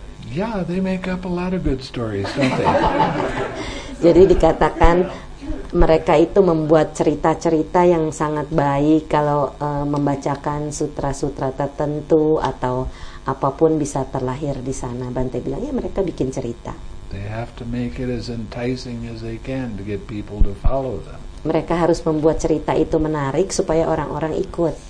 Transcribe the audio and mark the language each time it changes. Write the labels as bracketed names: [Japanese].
[English] Yeah, they make up a lot of good stories, don't they? [Indonesian] Jadi dikatakan mereka itu membuat cerita-cerita yang sangat baik kalau membacakan sutra-sutra tertentu atau apapun bisa terlahir di sana. Bante bilang, ya mereka bikin cerita. [English] They have to make it as enticing as they can to get people to follow them. [Indonesian] Mereka harus membuat cerita itu menarik supaya orang-orang ikut.